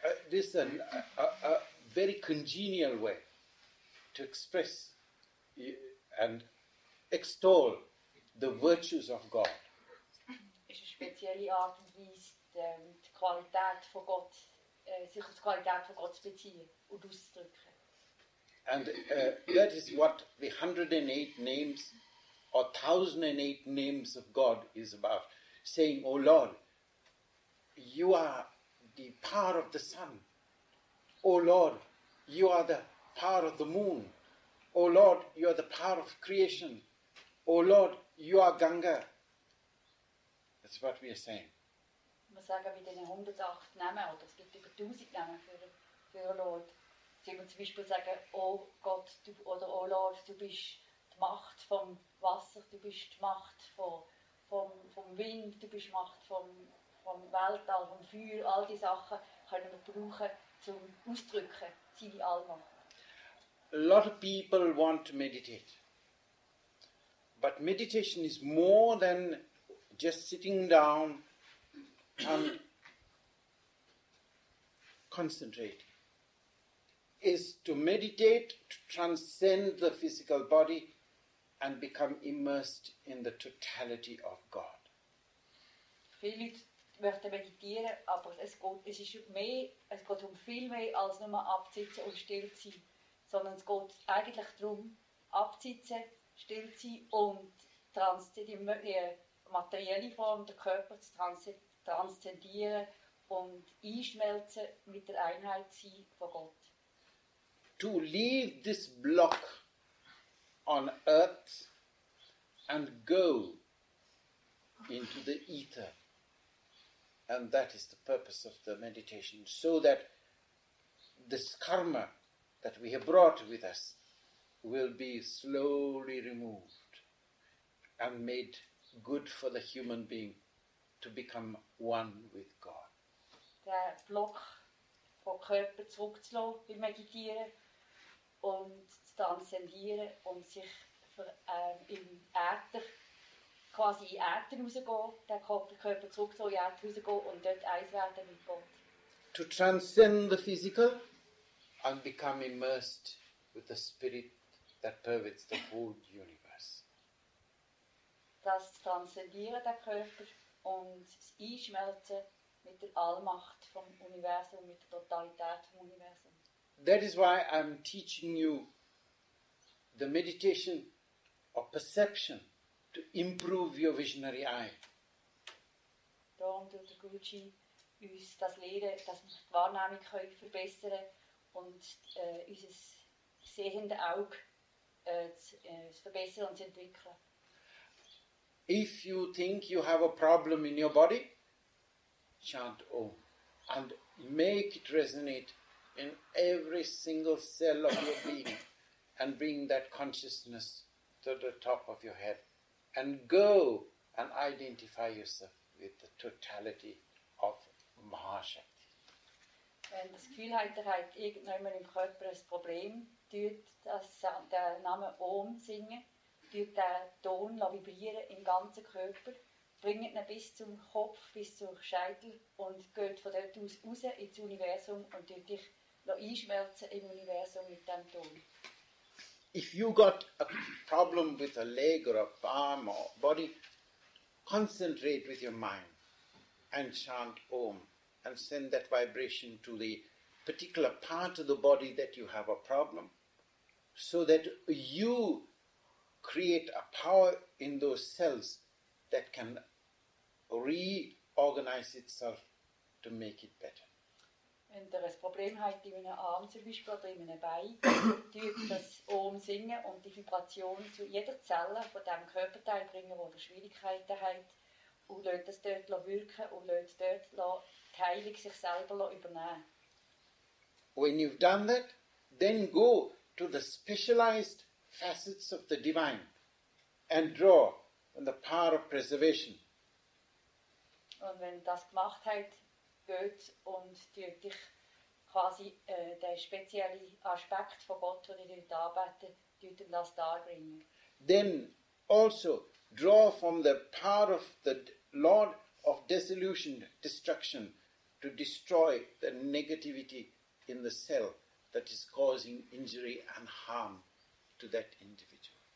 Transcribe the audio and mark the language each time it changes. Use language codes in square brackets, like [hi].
[en] This is a very congenial way to express and extol the virtues of God. [de] Ist eine spezielle Art und Weise, die Qualität von Gott, sich auf die Qualität von Gott zu beziehen und auszudrücken. [en] And that is what the 108 names or 1008 names of God is about. Saying, O Lord, you are the power of the sun. O Lord, you are the power of the moon. O Lord, you are the power of creation. O Lord, you are Ganga. That's what we are saying. [de] Wir sagen bei den 108 Namen, oder es gibt über 1000 Namen für den Lord. Sie können zum Beispiel sagen, oh Gott, du, oder oh Lord, du bist die Macht vom Wasser, du bist die Macht vom Wind, du bist die Macht vom Weltall, vom Feuer, all diese Sachen können wir brauchen, zum Ausdrücken, seine Allmacht. [en] A lot of people want to meditate. But meditation is more than just sitting down and concentrate is to meditate, to transcend the physical body and become immersed in the totality of God. [de] Viele Leute möchten meditieren, aber es geht um viel mehr als nur absitzen und still zu sein, sondern es geht eigentlich darum, absitzen, still zu sein und transzendieren. Materielle Form, den Körper zu transzendieren und einschmelzen mit der Einheit sein von Gott. [en] To leave this block on earth and go into the ether. And that is the purpose of the meditation. So that this karma that we have brought with us will be slowly removed and made good for the human being to become one with God. [de] Der Block vom Körper zurückzulassen beim Meditieren und zu transzendieren und sich im Äther, quasi in Äther rauszugehen, den Körper zurückzulassen, in Äther rauszugehen und dort eins werden mit Gott. [en] To transcend the physical and become immersed with the spirit that pervades the whole universe. [de] Das Transzendieren der Körper und das Einschmelzen mit der Allmacht vom Universum, mit der Totalität vom Universum. [en] That is why I'm teaching you the meditation of perception to improve your visionary eye. [de] Darum tut der Guruji uns das Lehren, dass wir die Wahrnehmung können verbessern und unser sehende Auge zu verbessern und zu entwickeln. [en] If you think you have a problem in your body, chant Om and make it resonate in every single cell of your being and bring that consciousness to the top of your head and go and identify yourself with the totality of Mahashakti. [de] Wenn das Gefühl hat, dass irgendjemand im Körper ein Problem tut, dass der Name Om singen, durch den Ton vibrieren im ganzen Körper, bringt ihn bis zum Kopf, bis zum Scheitel und geht von dort aus raus ins Universum und tut dich noch einschmelzen im Universum mit dem Ton. [en] If you got a problem with a leg or a arm or body, concentrate with your mind and chant Om and send that vibration to the particular part of the body that you have a problem, so that you create a power in those cells that can reorganize itself to make it better. [de] Wenn ihr ein Problem habt in einem Arm zum Beispiel oder in einem Bein, tut das Ohm singen und die Vibration zu jeder Zelle von diesem Körperteil bringen, wo ihr Schwierigkeiten habt, und lasst das dort wirken und lasst dort die Heilung sich selber übernehmen. [en] When you've done that, then go to the specialized facets of the divine and draw on the power of preservation. [de] Und wenn das gemacht hat, geht und tut dich quasi der spezielle Aspekt von Gott, wo ich dort arbeite, tut ihm das darbringen. [en] Then also draw from the power of the Lord of dissolution, destruction, to destroy the negativity in the cell that is causing injury and harm to that individual.